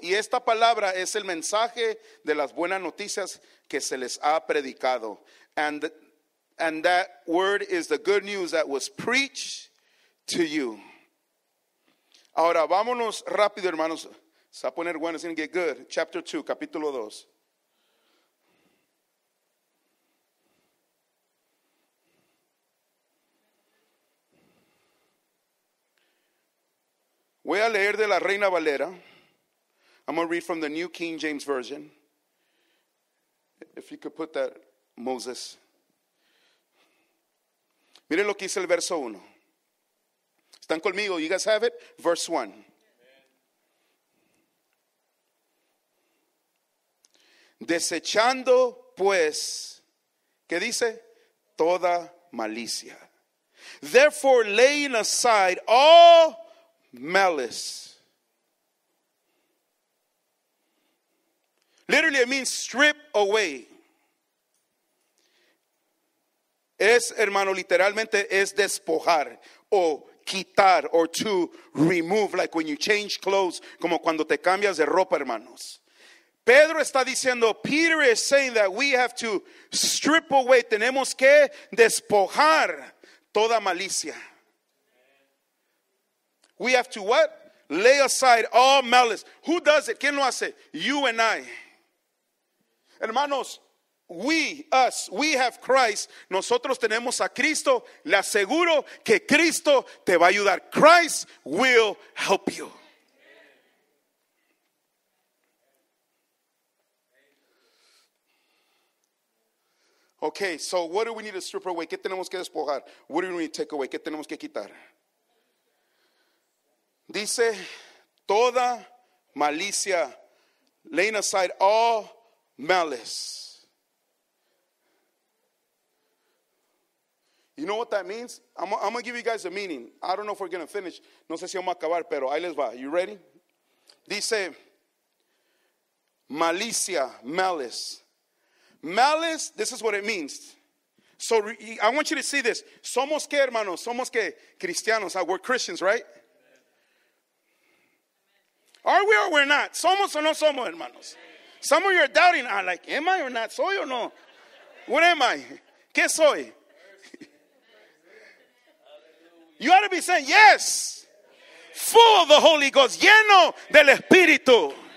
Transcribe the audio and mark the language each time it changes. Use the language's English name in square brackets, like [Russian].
[Spanish] Y esta palabra es el mensaje de las buenas noticias que se les ha predicado. [English] And that word is the good news that was preached to you. [Spanish] Ahora vámonos rápido, hermanos. Se va a poner bueno, es [English] going to get good. Chapter 2, [Spanish] capítulo 2. Voy a leer de la Reina Valera. [English] I'm going to read from the New King James Version. If you could put that, Moses. [Spanish] Miren lo que dice el verso 1. Están conmigo. [English] You guys have it? Verse 1. [Spanish] Desechando, pues, ¿qué dice? Toda malicia. [English] Therefore, laying aside all malice. Literally, it means strip away. [Spanish] Es, hermano, literalmente es despojar o quitar [English] or to remove, like when you change clothes, [Spanish] como cuando te cambias de ropa, hermanos. Pedro está diciendo, [English] Peter is saying that we have to strip away, [Spanish] tenemos que despojar toda malicia. [English] We have to what? Lay aside all malice. Who does it? [Spanish] ¿Quién lo hace? [English] You and I. Hermanos, we have Christ. [Spanish] Nosotros tenemos a Cristo. Le aseguro que Cristo te va a ayudar. [English] Christ will help you. Okay, so what do we need to strip away? [Spanish] ¿Qué tenemos que despojar? [English] What do we need to take away? [Spanish] ¿Qué tenemos que quitar? Dice, toda malicia, [English] laying aside all malice. You know what that means? I'm going to give you guys a meaning. I don't know if we're going to finish. [Spanish] No sé si vamos a acabar, pero ahí les va. [English] You ready? [Spanish] Dice, malicia, [English] malice. Malice, this is what it means. So I want you to see this. [Spanish] ¿Somos qué, hermanos? ¿Somos qué? Cristianos. [English] We're Christians, right? Are we or we're not? [Spanish] ¿Somos o no somos, hermanos? [English] Some of you are doubting. I'm like, am I or not? [Spanish] ¿Soy o no? [English] What am I? [Spanish] ¿Qué soy? [English] You ought to be saying, yes. Full of the Holy Ghost. [Spanish] Lleno del Espíritu.